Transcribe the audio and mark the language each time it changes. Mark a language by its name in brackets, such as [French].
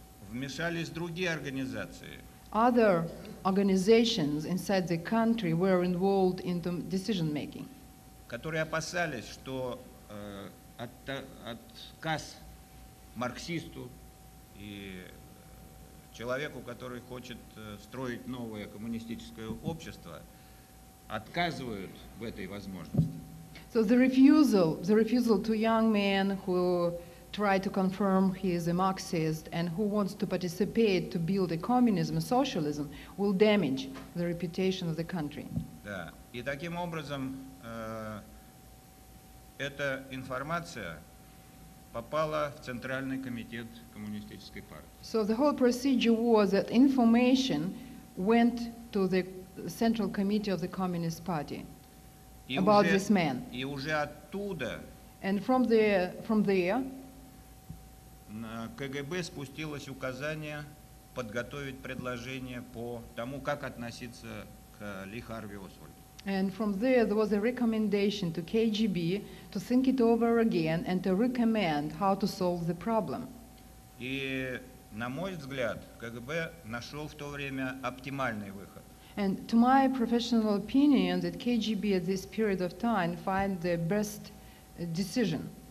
[Russian] вмешались другие организации. [English] Other organizations inside the country were involved in the decision making. [Russian] Которые опасались, что отказ марксисту и человеку, который хочет строить новое коммунистическое общество, отказывают в этой возможности. [English] So the refusal to young men who try to confirm he is a Marxist and who wants to participate to build a communism, a socialism, will damage the reputation of the country. [Russian] Да. И таким образом эта информация попала в Центральный комитет коммунистической партии. [English] So the whole procedure was that information went to the Central Committee of the Communist Party about this man. [Russian] И уже оттуда. [English] And from there. [Russian] КГБ спустилось указание подготовить предложение по тому, как относиться к Ли Харви Освальду. [English] And from there, there was a recommendation to KGB to think it over again and to recommend how to solve the problem. [Russian] И, на мой взгляд, КГБ нашел в то время оптимальный выход. [English] And to my professional opinion, that KGB at this period of time find the best decision.